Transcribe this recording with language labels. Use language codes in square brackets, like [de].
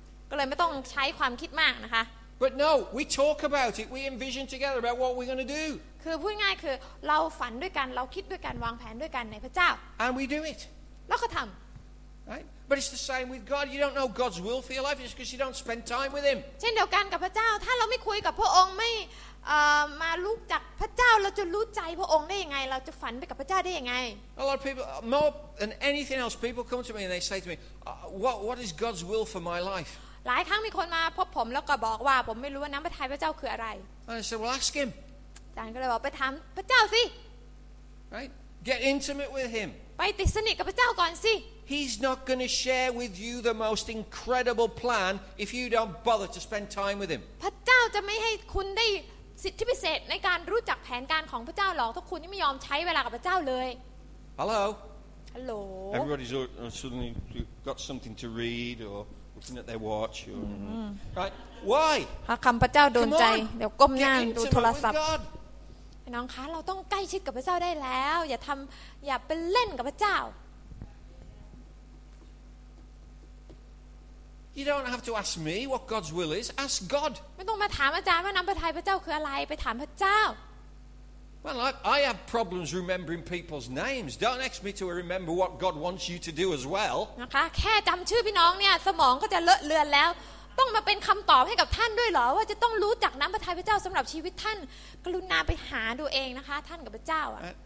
[th] ก็เลยไม่ต้องใช้ความคิดมากนะคะ [en] But no we talk about it we envision together about what we're going to do [th] คือพูดง่ายคือเราฝันด้วยกันเราคิดด้วยกันวางแผนด้วยกันในพระเจ้า [en] And we do it [th] แล้วก็ทำ [en] Right? But it's the same with God. You don't know God's will for your life just because you don't spend time with Him. [th] เช่นเดียวกันกับพระเจ้าถ้าเราไม่คุยกับพระองค์ไม่มารู้จักพระเจ้าเราจะรู้ใจพระองค์ได้ยังไงเราจะฝันไปกับพระเจ้าได้ยังไง [en] A lot of people, more than anything else, people come to me and they say to me, "What is God's will for my life?" [th] หลายครั้งมีคนมาพบผมแล้วก็บอกว่าผมไม่รู้ว่าน้ำพระทัยพระเจ้าคืออะไร [en] And I said, "Well, ask Him." [th] อาจารย์ก็เลยบอกไปถามพระเจ้าสิ [en] Right? Get intimate with Him. [th] ไปติดสนิทกับพระเจ้าก่อนสิ [en] He's not going to share with you the most incredible plan if you don't bother to spend time with him. [th] พระเจ้าจะไม่ให้คุณได้สิทธิพิเศษในการรู้จักแผนการของพระเจ้าหรอกถ้าคุณไม่ยอมใช้เวลากับพระเจ้าเลย [en] Hello. Hello. Everybody's suddenly got something to read or looking at their watch or right? Why? [th] คำพระเจ้าโดนใจเดี๋ยวก้มหน้าดูโทรศัพท์น้องคะเราต้องใกล้ชิดกับพระเจ้าได้แล้วอย่าไปเล่นกับพระเจ้า [en] You don't have to ask me what God's will is. Ask God. [th] ไม่ต้องมาถามอาจารย์ว่าน้ำพระทัยพระเจ้าคืออะไรไปถามพระเจ้า [en] Well, I have problems remembering people's names. Don't ask me to remember what God wants you to do as well. [th] นะคะแค่จำชื่อพี่น้องเนี่ยสมองก็จะเลอะเลือนแล้วต้องมาเป็นคำตอบให้กับท่านด้วยเหรอว่าจะต้องรู้จักน้ำพระทัยพระเจ้าสำหรับชีวิตท่านกรุณาไปหาดูเองนะคะท่านกับพระเจ้าอ่ะ